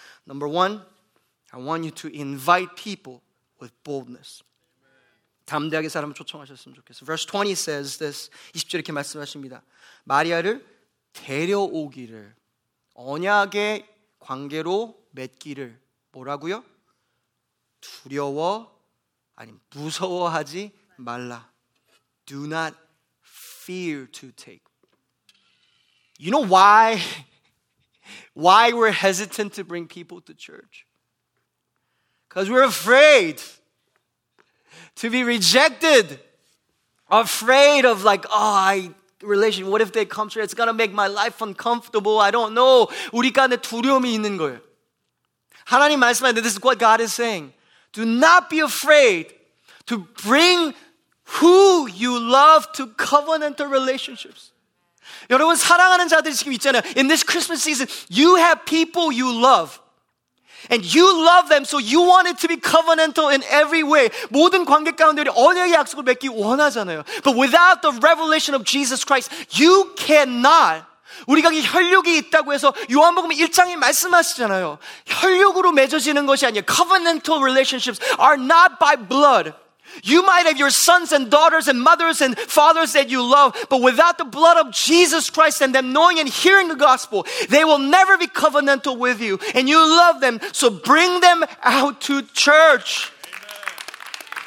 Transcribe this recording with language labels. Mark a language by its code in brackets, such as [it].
[en] Number one, I want you to invite people with boldness. [ko] 담대하게 사람을 초청하셨으면 좋겠어요. [en] Verse 20 says this. [ko] 20절 이렇게 말씀하십니다. 마리아를 데려오기를 언약의 관계로 맺기를 뭐라고요? 두려워 아니 무서워하지 말라. [en] Do not fear to take. You know why we're hesitant to bring people to church? Because we're afraid to be rejected. Afraid of like, relation. What if they come to church? It's going to make my life uncomfortable. I don't know. [ko] 우리가 내 두려움이 있는 거예요. 하나님 말씀하는데 [en] this is what God is saying. Do not be afraid to bring who you love to covenantal relationships. [ko] 여러분 사랑하는 자들이 지금 있잖아요. [en] In this Christmas season, you have people you love. And you love them, so you want it to be covenantal in every way. [ko] 모든 관계 가운데 우리 언약의 약속을 맺기 원하잖아요. [en] But without the revelation of Jesus Christ, you cannot. [ko] 우리가 이 혈육이 있다고 해서 요한복음 1장이 말씀하시잖아요. 혈육으로 맺어지는 것이 아니에요. [en] Covenantal relationships are not by blood. You might have your sons and daughters and mothers and fathers that you love, but without the blood of Jesus Christ and them knowing and hearing the gospel, they will never be covenantal with you. And you love them, so bring them out to church. Amen.